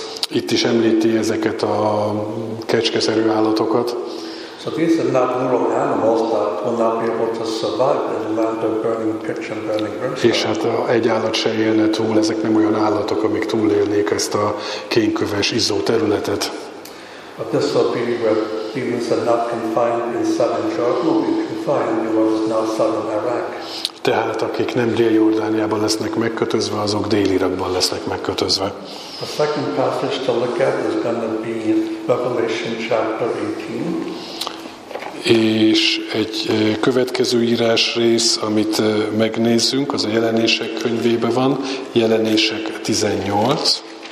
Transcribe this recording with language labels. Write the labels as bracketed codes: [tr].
[hu] Itt is említi ezeket a kecskeszerű állatokat. [en] So these are not literal animals that will not be able to survive in a land of burning pitch and burning brimstone. [hu] És hát egy állat se élne túl, ezek nem olyan állatok, amik túlélnék ezt a kénköves izzó területet. [en] A disobedient where demons are not confined in southern Jordan will be confined in what is now southern Iraq. [hu] Tehát akik nem Dél-Jordániában lesznek megkötözve, azok Dél-Irakban lesznek megkötözve. [en] A second passage to look at is going to be Revelation chapter 18. [hu] És egy következő írásrész, amit megnézzünk, az a Jelenések könyvében van, Jelenések 18.